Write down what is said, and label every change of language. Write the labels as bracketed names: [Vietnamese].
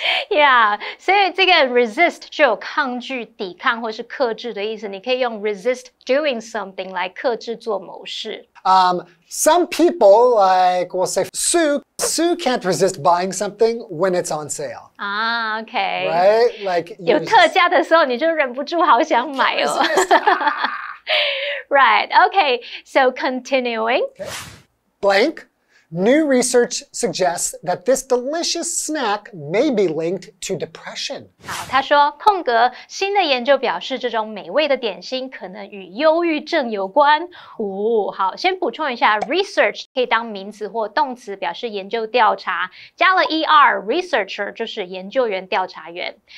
[Chinese] Yeah, 所以这个 resist 就有抗拒、抵抗或是克制的意思。你可以用 [English] resist doing something [Chinese] 来克制做某事。 [English] Some people, like we'll say Sue can't resist buying something when it's on sale. Okay. Right? Like, [Chinese] 有特价的时候你就忍不住好想买哦。 [English] Right, okay, so continuing. Okay. Blank. New research suggests that this delicious snack may be linked to depression. [Chinese] 好，他说，空格，新的研究表示这种美味的点心可能与忧郁症有关。哦，好，先补充一下 ，research 可以当名词或动词，表示研究调查。加了 er， researcher 就是研究员、调查员。